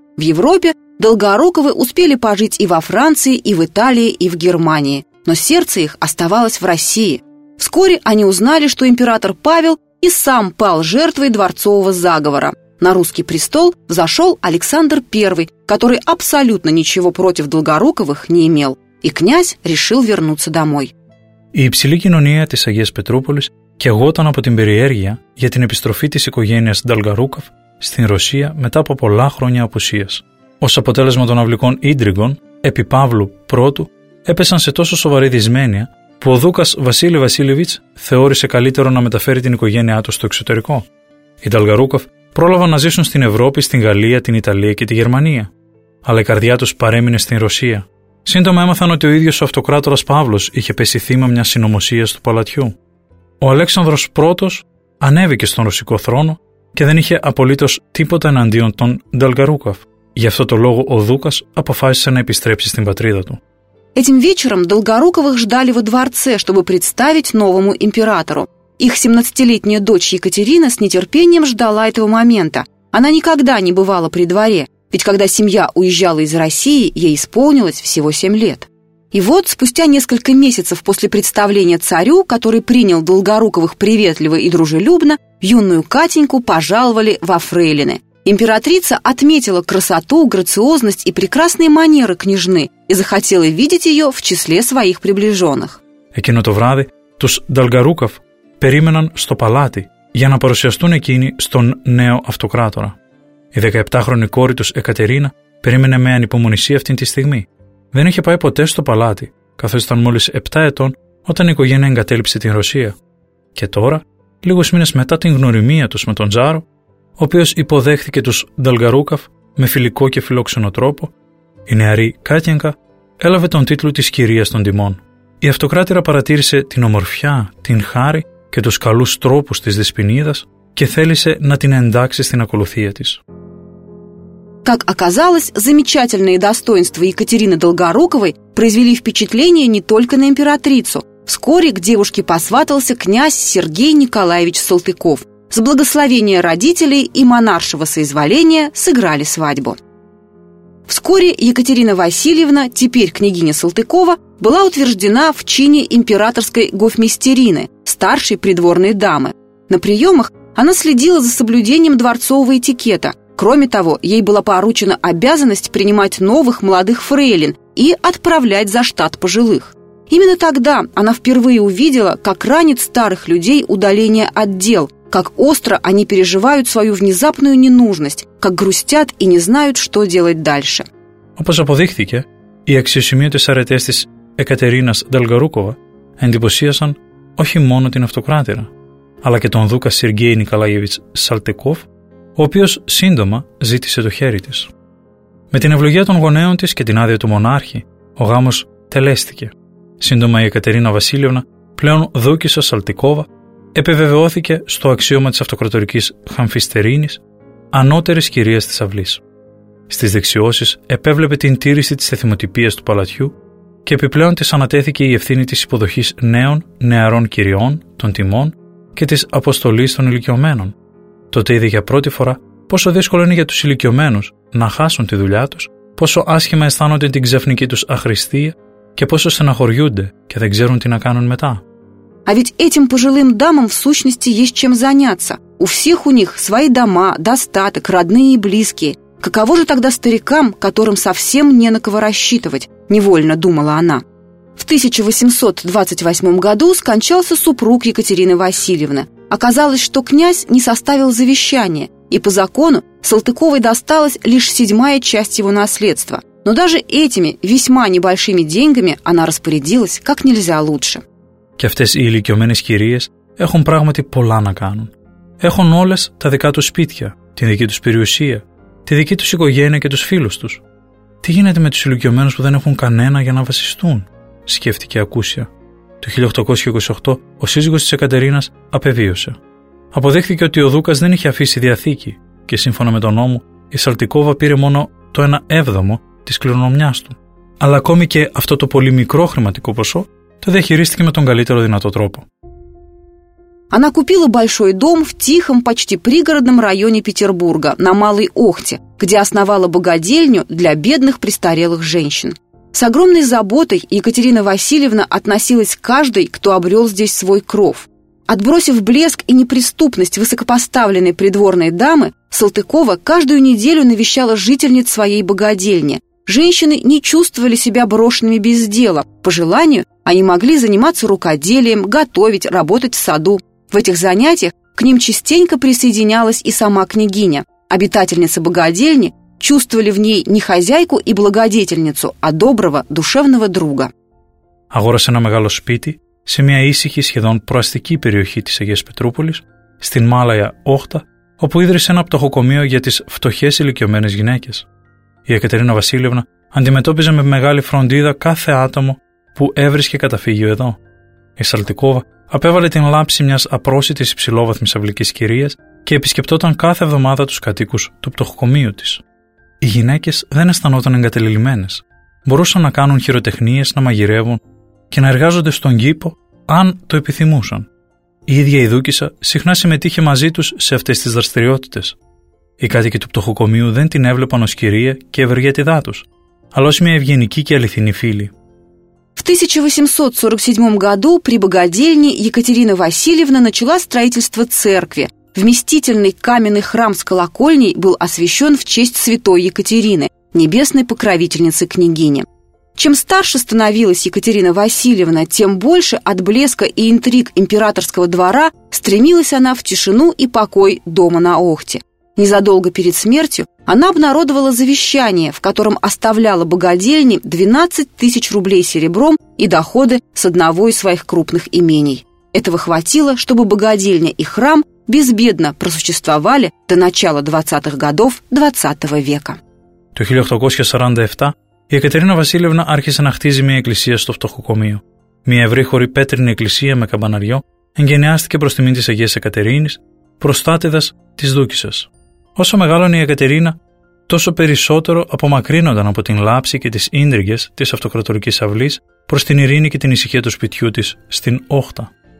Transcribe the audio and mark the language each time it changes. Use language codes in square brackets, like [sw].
[ru] В Европе Долгоруковы успели пожить и во Франции, и в Италии, и в Германии, но сердце их оставалось в России. Вскоре они узнали, что император Павел и сам пал жертвой дворцового заговора. На русский престол взошел Александр I, который абсолютно ничего против Долгоруковых не имел, и князь решил вернуться домой. [el] Η υψηλή κοινωνία της Αγίας Πετρούπολης καιγόταν από την περιέργεια για την επιστροφή της οικογένειας Νταλγαρούκοφ στην Ρωσία μετά από πολλά χρόνια απουσίας. Ως αποτέλεσμα των αυλικών ίντριγκων, επί Παύλου I, έπεσαν σε τόσο σοβαρή δυσμένεια που ο Δούκας Βασίλη Βασίλεβιτς θεώρησε καλύτερο να μεταφέρει την οικογένειά του στο εξωτερικό. Οι Νταλγαρούκοφ πρόλαβαν να ζήσουν στην Ευρώπη, στην Γαλλία, την Ιταλία και τη Γερμανία. Αλλά η καρδιά τους παρέμεινε στην Ρωσία. Σύντομα έμαθαν ότι ο ίδιος ο αυτοκράτορας Παύλος είχε πέσει θύμα μιας συνωμοσίας του παλατιού. Ο Αλέξανδρος I ανέβηκε στον ρωσικό θρόνο και δεν είχε απολύτως τίποτα εναντίον των Νταλγαρούκοφ. Γι' αυτό το λόγο ο Δούκας αποφάσισε να επιστρέψει στην πατρίδα του. [ru] Этим вечером Долгоруковых ждали во дворце, чтобы представить новому императору. Их 17-летняя дочь Екатерина с нетерпением ждала этого момента. Она никогда не бывала при дворе, ведь когда семья уезжала из России, ей исполнилось всего 7 лет. И вот, спустя несколько месяцев после представления царю, который принял Долгоруковых приветливо и дружелюбно, юную Катеньку пожаловали во фрейлины. Императрица отметила красоту, грациозность и прекрасные манеры княжны и захотела видеть ее в числе своих приближенных. [el] Εκείνο το βράδυ τους Νταλγαρούκοφ περίμεναν στο παλάτι για να παρουσιαστούν εκείνοι στον νέο αυτοκράτορα. Η 17χρονη κόρη τους Εκατερίνα περίμενε με ανυπομονησία αυτήν τη στιγμή. Δεν είχε πάει ποτέ στο παλάτι, καθώς ήταν μόλις 7 ετών όταν η οικογένεια εγκατέλειψε την Ρωσία. Και τώρα, λίγους μήνες μετά την γνωριμία τους με τον Τζάρο, ο οποίος υποδέχθηκε τους Νταλγαρούκοφ με φιλικό και φιλόξενο τρόπο, η νεαρή Κάτιανκα έλαβε τον τίτλο της κυρίας των τιμών. Η αυτοκράτηρα παρατήρησε την ομορφιά, την χάρη και τους καλούς τρόπους της Δεσποινίδας και θέλησε να την εντάξει στην ακολουθία της. [ru] Как оказалось, замечательные достоинства Екатерины Долгоруковой произвели впечатление не только на императрицу. Вскоре к девушке посватался князь Сергей Николаевич Салтыков. С благословения родителей и монаршего соизволения сыграли свадьбу. Вскоре Екатерина Васильевна, теперь княгиня Салтыкова, была утверждена в чине императорской гофмейстерины, старшей придворной дамы. На приемах она следила за соблюдением дворцового этикета. Кроме того, ей была поручена обязанность принимать новых молодых фрейлин и отправлять за штат пожилых. Именно тогда она впервые увидела, как ранит старых людей удаление от дел, как остро они переживают свою внезапную ненужность, как грустят и не знают, что делать дальше. [el] Όπως αποδείχθηκε, οι αξιοσημείωτες αρετές της Εκατερίνας Νταλγαρούκοβα εντυπωσίασαν όχι μόνο την αυτοκράτηρα, αλλά και τον δούκα Σεργέη Νικολάγεβιτς Σαλτεκόφ, ο οποίος σύντομα ζήτησε το χέρι της. Με την ευλογία των γονέων της και την άδεια του μονάρχη, ο γάμος τελέστηκε. Σύντομα η Εκατερίνα Βασίλειωνα, πλέον δούκισσα Σαλτικόβα, επιβεβαιώθηκε στο αξίωμα της αυτοκρατορικής Χαμφιστερίνης, ανώτερης κυρίας της αυλής. Στις δεξιώσεις επέβλεπε την τήρηση της εθιμοτυπίας του παλατιού και επιπλέον της ανατέθηκε η ευθύνη της υποδοχής νέων, νεαρών κυριών, των τιμών και της αποστολής των ηλικιωμένων. Τότε είδε για πρώτη φορά πόσο δύσκολο είναι για τους ηλικιωμένους να χάσουν τη δουλειά τους, πόσο άσχημα αισθάνονται την ξαφνική τους αχρηστία και πόσο στεναχωριούνται και δεν ξέρουν τι να κάνουν μετά. [ru] А ведь этим пожилым дамам в сущности есть чем заняться. У всех у них свои дома, достаток, родные и близкие. Каково же тогда старикам, которым совсем не на кого рассчитывать? Невольно думала она. В 1828 году скончался супруг Екатерины Васильевны. Оказалось, что князь не составил завещание, и по закону Салтыковой досталась лишь седьмая часть его наследства. Но даже этими весьма небольшими деньгами она распорядилась как нельзя лучше. [el] Και αυτές οι ηλικιωμένες κυρίες έχουν πράγματι πολλά να κάνουν. Έχουν όλες τα δικά τους σπίτια, την δική τους περιουσία, τη δική τους οικογένεια και τους φίλους τους. Τι γίνεται με τους ηλικιωμένους που δεν έχουν κανένα για να βασιστούν, σκέφτηκε ακούσια. Το 1828 ο σύζυγος της Εκατερίνας απεβίωσε. Αποδείχθηκε ότι ο Δούκας δεν είχε αφήσει διαθήκη και σύμφωνα με τον νόμο η Σαλτικόβα πήρε μόνο το 1/7 της κληρονομιάς του. Αλλά ακόμη και αυτό το πολύ μικρό χρηματικό ποσό το διαχειρίστηκε με τον καλύτερο δυνατό τρόπο. [ru] Она купила большой дом в тихом, почти пригородном районе Петербурга, на Малой Охте, где основала богадельню для бедных престарелых женщин. С огромной заботой Екатерина Васильевна относилась к каждой, кто обрел здесь свой кров. Отбросив блеск и неприступность высокопоставленной придворной дамы, Салтыкова каждую неделю навещала жительниц своей богадельни. Женщины не чувствовали себя брошенными без дела. По желанию, они могли заниматься рукоделием, готовить, работать в саду. В этих занятиях к ним частенько присоединялась и сама княгиня. Обитательницы богадельни чувствовали в ней не хозяйку и благодетельницу, а доброго, душевного друга. [el] Агорасе на мегало спити, се мия исихи сχεδόν проастики периохи της Агίας Петρούπολης, στην Μάλαια 8, όπου ίδρυσε ένα πτωχοκομείο για τις φτωχές ηλικιωμένες γυναίκες. Η Εκατερίνα Βασίλευνα αντιμετώπιζε με μεγάλη φροντίδα κάθε άτομο που έβρισκε καταφύγιο εδώ. Η Σαλτικόβα απέβαλε την λάψη μιας απρόσιτης υψηλόβαθμης αυλικής κυρίας και επισκεπτόταν κάθε εβδομάδα τους κατοίκους του πτωχοκομείου της. Οι γυναίκες δεν αισθανόταν εγκατελειμμένες. Μπορούσαν να κάνουν χειροτεχνίες, να μαγειρεύουν και να εργάζονται στον κήπο, αν το επιθυμούσαν. Η ίδια η Δούκισσα συχνά συμμετείχε μαζί τους σε αυτές τις δραστηριότητες. Οι κάτοικοι του πτωχοκομείου δεν την έβλεπαν ως κυρία και ευεργέτηδά τους, αλλά ως μια ευγενική και αληθινή φίλη. [ru] В 1847 году при богадельне Екатерина Васильевна начала строительство церкви. Вместительный каменный храм с колокольней был освящен в честь святой Екатерины, небесной покровительницы княгини. Чем старше становилась Екатерина Васильевна, тем больше от блеска и интриг императорского двора стремилась она в тишину и покой дома на Охте. Незадолго перед смертью она обнародовала завещание, в котором оставляла богадельне 12 тысяч рублей серебром и доходы с одного из своих крупных имений. Этого хватило, чтобы богадельня и храм безбедно просуществовали до начала 20-х годов 20 века. В 1847 Екатерина Васильевна [el] άρχισε να χτίζει μια εκκλησία στο φτωχοκομείο. Μια ευρύχωρη πέτρινη εκκλησία με καμπαναριό εγκαινιάστηκε προς τιμήν της Αγίας Εκατερίνης, προστάτηδας της Δούκισσας. Όσο μεγάλωνε η Εκατερίνα, τόσο περισσότερο απομακρύνονταν από την λάψη και τις ίντριγες της αυτοκρατορικής αυλής προς την ειρήνη και την ησυχία του σπιτιού της στην Όχτα.